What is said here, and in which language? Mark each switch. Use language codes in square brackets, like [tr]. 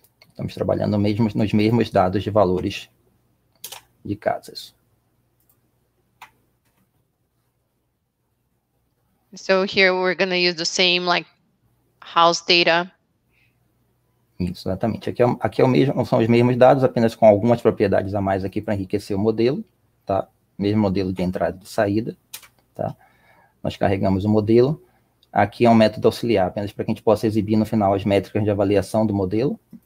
[pt] Estamos trabalhando mesmo nos mesmos dados de valores de casas. [en] So here we're going to use the same like house data. [pt] Isso, exatamente. Aqui é o mesmo, são os mesmos dados, apenas com algumas propriedades a mais aqui para enriquecer o modelo, tá? Mesmo modelo de entrada e de saída, tá? Nós carregamos o modelo. Aqui é um método auxiliar, apenas para que a gente possa exibir no final as métricas de avaliação do modelo.